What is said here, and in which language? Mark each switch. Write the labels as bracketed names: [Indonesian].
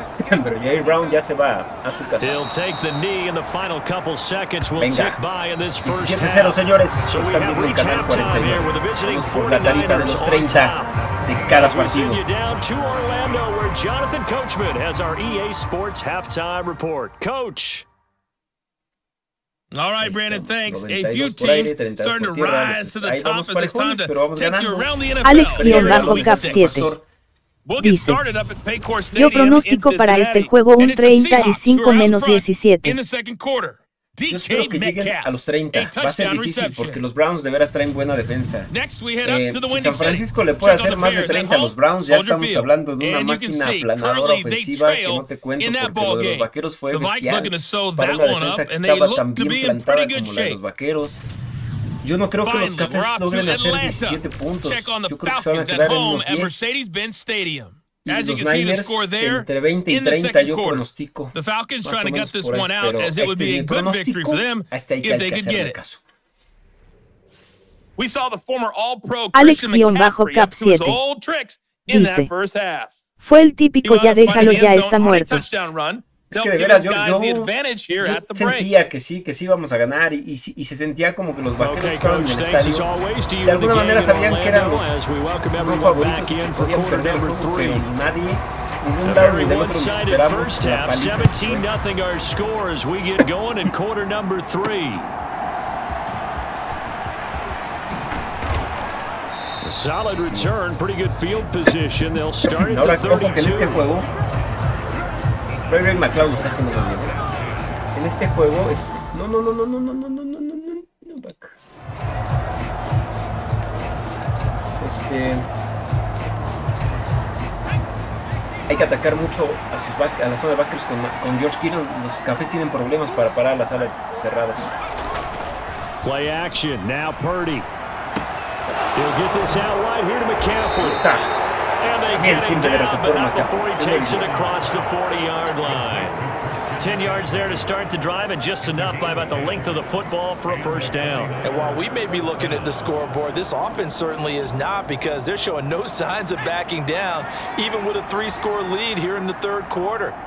[English] He'll take the knee in the final couple seconds. We'll tick by in this first half. [Spanish] 7-0, señores. Están viendo el canal 49. Por la tarifa de los 30 de cada partido. [English] To Orlando, where Jonathan Coachman has our EA Sports halftime report. Coach. All right, Brandon, thanks. A few teams starting to rise to the top as it's time to take you around the NFL. [Spanish] Alex guión bajo cap 7. Dice, yo pronóstico para este juego un 35-17. Yo espero que lleguen a los 30. Va a ser difícil porque los Browns de veras traen buena defensa. Si San Francisco le puede hacer más de 30 a los Browns, ya estamos hablando de una máquina aplanadora ofensiva que no te cuento porque lo de los vaqueros fue bestial para una defensa que estaba tan bien plantada como la de los vaqueros. Yo no creo que los Cafés logren hacer 17 puntos. Yo creo que se van a quedar en unos 10. Y los Niners, entre 20 y 30, yo pronostico. [English] The Falcons trying to get this one out, as it would be a good victory for them if they could get it. We saw the former All-Pro Christian McCaffrey old tricks in that first half. [Spanish] Fue el típico ya déjalo, ya está muerto. Es que de veras yo sentía que sí íbamos a ganar y se sentía como que los vaqueros estaban en el estadio. De alguna manera sabían que eran los no favoritos y que podían perder el juego, pero nadie, ningún Darby del otro, nos esperamos la paliza. [English] Solid return, pretty good field position. They'll start at [Spanish] ahora, [English] the 32. [Spanish] Ojo que en este juego Ray McLeod está haciendo muy bien. En este juego es... [English] No, back. [Spanish] Hay que atacar mucho a sus a la zona de backers con George Kittle. Los Cafés tienen problemas para parar las alas cerradas. [English] Play action, now Purdy. He'll get this out right here to McCaffrey. [Spanish] Ahí está. Bien, siempre de receptor McCaffrey. Line. [English] 10 yards there to start the drive, and just enough by about the length of the football for a first down. And while we may be looking at the scoreboard, this offense certainly is not, because they're showing no signs of backing down, even with a 3-score lead here in the third quarter.